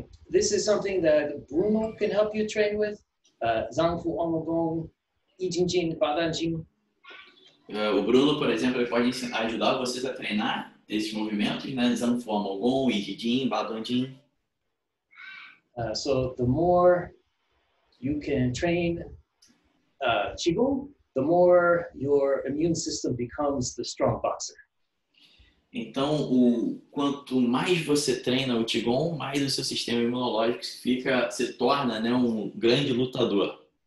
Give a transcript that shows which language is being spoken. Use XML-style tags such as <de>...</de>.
<en>This is something that Bruno can help you train with. Zhangfu, Omogong, Yijingjin, Badanjin.</en> <pt>O Bruno, por exemplo, ele pode ajudar vocês a treinar esses movimentos, né? Zhangfu, Omogong, Yijingjin, Badanjin.</pt> <en>So the more you can train Qigong, the more your immune system becomes the strong boxer.</en> <pt>Então, quanto mais você treina o Qigong, mais o seu sistema imunológico se torna, né, um grande lutador.</pt>